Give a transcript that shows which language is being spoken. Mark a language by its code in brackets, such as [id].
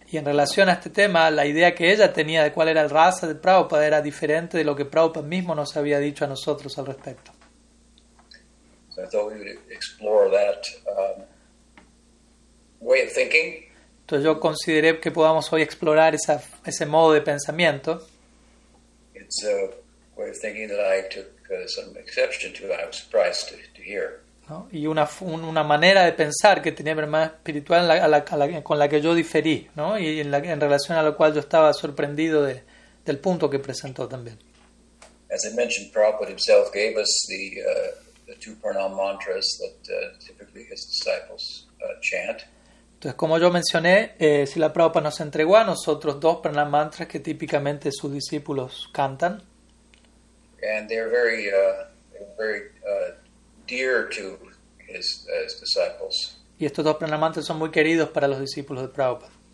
[es] Y en relación a este tema, la idea que ella tenía de cuál era el rasa de Prabhupada era diferente de lo que Prabhupada mismo nos había dicho a nosotros al respecto. [en] So I thought we would explore that way of thinking. [es] Entonces yo consideré que podamos hoy explorar ese modo de pensamiento. [en] It's a way of thinking that I took some exception to. I was surprised to hear. [es] ¿No? Y una manera de pensar que tenía mi hermana espiritual con la que yo diferí, ¿no? Y en relación a lo cual yo estaba sorprendido del punto que presentó también. [en] As I mentioned, Prabhupada himself gave us the two pranam mantras that typically his disciples chant. [es] Entonces, como yo mencioné, Srila Prabhupada nos entregó a nosotros dos pranam mantras que típicamente sus discípulos cantan. [en] And they're very dear to his disciples. [es] Y estos dos pranamantras son muy queridos para los discípulos de Prabhupada.